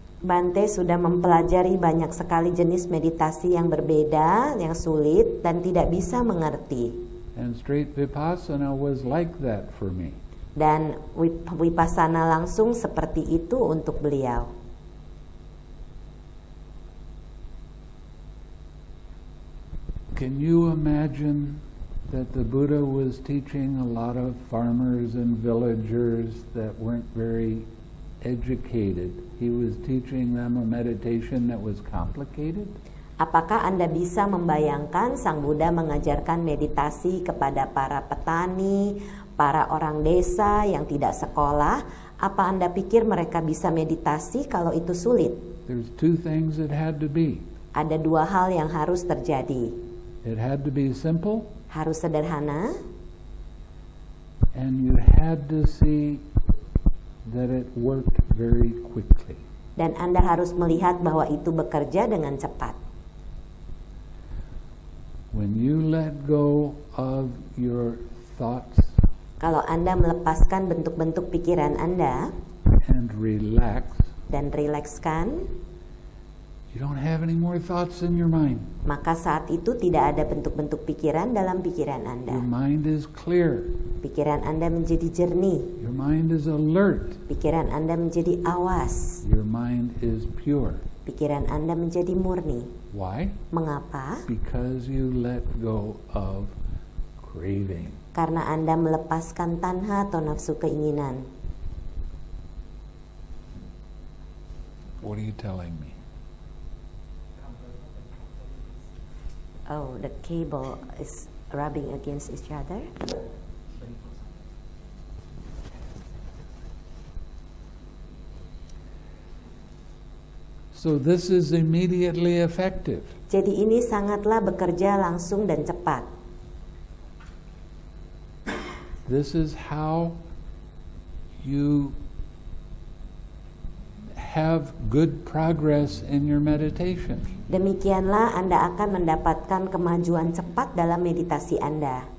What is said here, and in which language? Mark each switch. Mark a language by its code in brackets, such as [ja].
[id] Bante sudah mempelajari banyak sekali jenis meditasi yang berbeda, yang sulit, dan tidak bisa mengerti. [en] And straight vipassana was like that for me. [id] Dan vipassana langsung seperti itu untuk beliau. [en] Can you imagine that the Buddha was teaching a lot of farmers and villagers that weren't very educated? He was teaching them a meditation that was complicated. [id] Apakah Anda bisa membayangkan Sang Buddha mengajarkan meditasi kepada para petani, para orang desa yang tidak sekolah? Apa Anda pikir mereka bisa meditasi kalau itu sulit? [en] There's two things that had to be. [id] Ada dua hal yang harus terjadi. [en] It had to be simple. [id] Harus sederhana. [en] And you had to see that it worked very quickly. [id] Dan Anda harus melihat bahwa itu bekerja dengan cepat. [en] When you let go of your thoughts, [id] kalau Anda melepaskan bentuk-bentuk pikiran Anda, [en] and relax, [id] dan rilekskan, [en] you don't have any more thoughts in your mind. [id] Maka saat itu tidak ada bentuk-bentuk pikiran dalam pikiran Anda. [en] Your mind is clear. [id] Pikiran Anda menjadi jernih. [en] Your mind is alert. [id] Pikiran Anda menjadi awas. [en] Your mind is pure. [id] Pikiran Anda menjadi murni. [en] Why? [id] Mengapa? [en] Because you let go of craving. [id] Karena Anda melepaskan tanha atau nafsu keinginan. [en] What are you telling me? Oh, the cable is rubbing against each other. So this is immediately effective. [id] Jadi ini sangatlah bekerja langsung dan cepat. [en] This is how you have good progress in your meditation. [id] Demikianlah Anda akan mendapatkan kemajuan cepat dalam meditasi Anda.